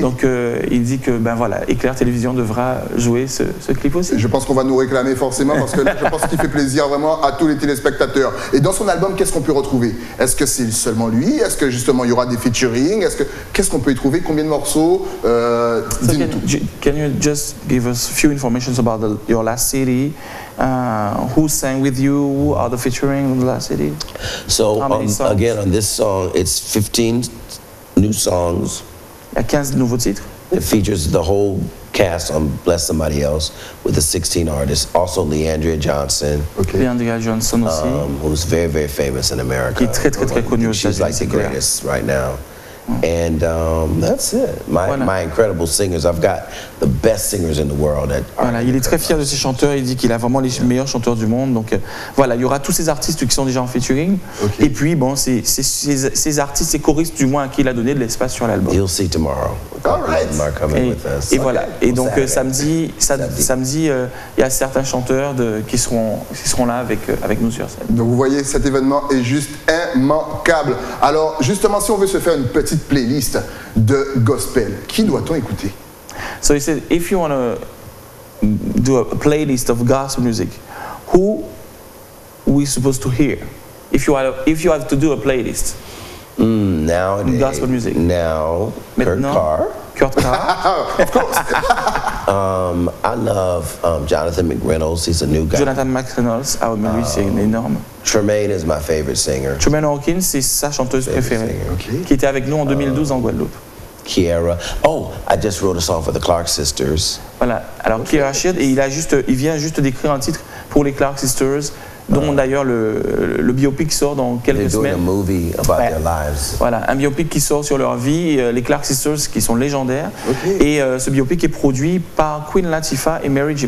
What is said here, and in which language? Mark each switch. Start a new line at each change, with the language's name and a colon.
French: Donc il dit que ben voilà, Éclair Télévision devra jouer ce clip aussi. Je pense qu'on va nous réclamer forcément parce que là, je pense qu'il fait plaisir vraiment à tous les téléspectateurs. Et dans son album, qu'est-ce qu'on peut retrouver? Est-ce que c'est seulement lui? Est-ce que justement il y aura des featuring? Qu'est-ce qu'on peut y trouver, combien de morceaux,
English: can you just give us a few informations about your last CD? Who sang with you? Who are the featuring on the last CD? So, again, on this song, it's 15 new songs.
French: Il y a 15 nouveaux titres.
English: It features the whole cast on Bless Somebody Else with the 16 artists. Also, Leandria Johnson.
French: Okay. Leandria Johnson aussi.
English: Who's very, very famous in America.
French: Qui est très, très, très connue aussi.
English: She's like the greatest right now. And that's it. My incredible singers. I've got the best singers in the world.
French: Voilà, il est très fier de ses chanteurs. Il dit qu'il a vraiment les meilleurs chanteurs du monde. Donc voilà, il y aura tous ces artistes qui sont déjà en featuring. Okay. Et puis bon, ces artistes, ces choristes du moins à qui il a donné de l'espace sur l'album.
English: You'll see tomorrow. All right. Them are coming with us.
French: Et voilà. Okay. Et donc samedi, il y a certains chanteurs qui seront là avec nous sur scène. Donc vous voyez, cet événement est juste immanquable. Alors justement, si on veut se faire une petite playlist de gospel, qui doit-on écouter?
English: So he said, if you want to do a playlist of gospel music, who we supposed to hear? If you have to do a playlist. Nowadays. Gospel music. Now,
French: maintenant,
English: Kurt Carr. Of course. I love Jonathan McReynolds. He's a new guy.
French: Jonathan McReynolds, ah oui, lui c'est énorme.
English: Tremaine is my favorite singer.
French: Tremaine Hawkins, c'est sa chanteuse préférée. Okay. Qui était avec nous en 2012 en Guadeloupe. Kiera.
English: Oh, I just wrote a song for the Clark Sisters.
French: Voilà. Alors okay. Kiera Shield, il vient juste d'écrire un titre pour les Clark Sisters. Dont d'ailleurs le biopic sort dans quelques semaines.
English: They're doing a movie about their lives.
French: Voilà, un biopic qui sort sur leur vie, les Clark Sisters qui sont légendaires. Okay. Et ce biopic est produit par Queen Latifah et Mary J.